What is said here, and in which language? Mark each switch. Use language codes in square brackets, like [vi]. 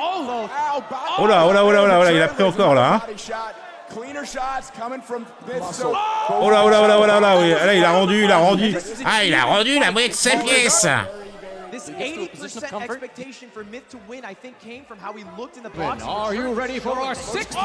[fr] Oh là, oh là, oh là, oh là, il a pris encore là. Hein. [en] Cleaner shots coming from this. [fr] Oh là, oh là, oh là, oh là, oh là, oui. Ah, là, il a rendu. Ah, il a rendu la moitié de ses pièces. [en] This 80% expectation for Myth to win, I think, came from how he looked in the box. Are you ready for our sixth?